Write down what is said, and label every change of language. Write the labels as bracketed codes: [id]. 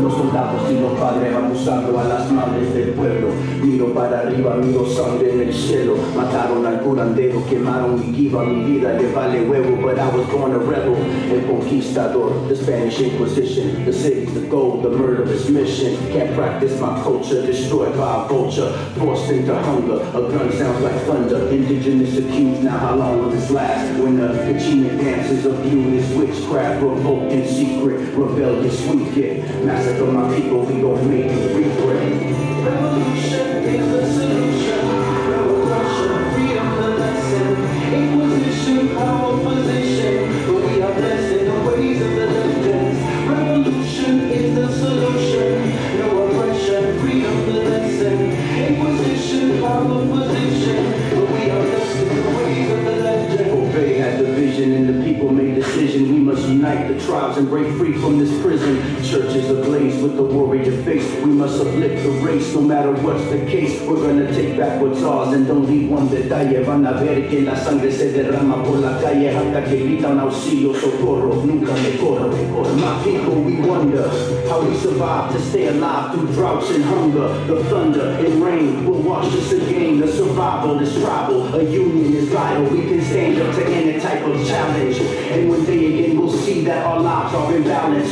[es] No soldados, sino padres, abusando a las madres del pueblo. Miro para arriba, miro sangre en el cielo. Mataron al curandero, quemaron mi guiva, mi vida, le vale huevo, but I was born a rebel. [en] El conquistador, the Spanish Inquisition, the city's the goal, the murder is mission. Can't practice my culture, destroyed by a vulture, forced into hunger. A gun sounds like thunder, indigenous accused, now how long will this last? When the Pachino dances of humanist witchcraft, revolt in secret, rebellious weekend. Massacre my people, we gon' make it regret. Revolution is the solution. Freedom, the lesson. Inquisition, power, position. But we are blessed in the ways of the legends. Revolution is the solution. No oppression, freedom, the lesson. Inquisition, power, position. And the people made decision. We must unite the tribes and break free from this prison. Churches ablaze with the warrior face. We must uplift the race, no matter what's the case. We're gonna take back what's ours and don't leave one detalle. [es] Van a ver que la sangre se derrama por la calle. Hasta que gritan auxilio, socorro, nunca me corro. [en] My people, we wonder how we survive to stay alive through droughts and hunger. The thunder and rain will wash us again. The survival is tribal, a union is vital. We can stand up to any type of challenge, and one day again we'll see that our lives are in balance.